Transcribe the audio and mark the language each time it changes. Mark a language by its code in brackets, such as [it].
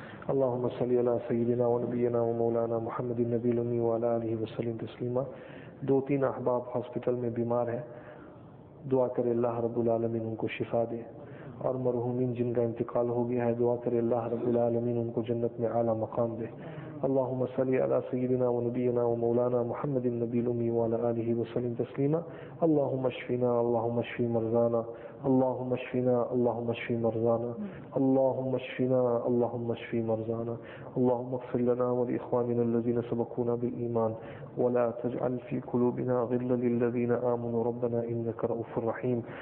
[ar] اللهم صل على سيدنا ونبينا ومولانا محمد النبي الأمي وعلى آله وسلم تسليما. [ur] دو تین احباب ہسپتال میں بیمار ہیں, دعا کرے اللہ رب العالمین ان کو شفا دے, اور مرحومین جن کا انتقال ہو گیا ہے دعا کرے اللہ رب العالمین ان کو جنت میں اعلیٰ مقام دے. [ar] اللهم صل على سيدنا ونبينا ومولانا محمد النبي الأمي وعلى آله وسلم تسليما. اللهم اشفنا اللهم اشف مرضانا اللهم اشفنا اللهم اشف مرضانا اللهم اشفنا اللهم اشف مرضانا اللهم اغفر لنا ولإخواننا الذين سبقونا بالإيمان ولا تجعل في قلوبنا غلا للذين آمنوا ربنا إنك رؤوف رحيم.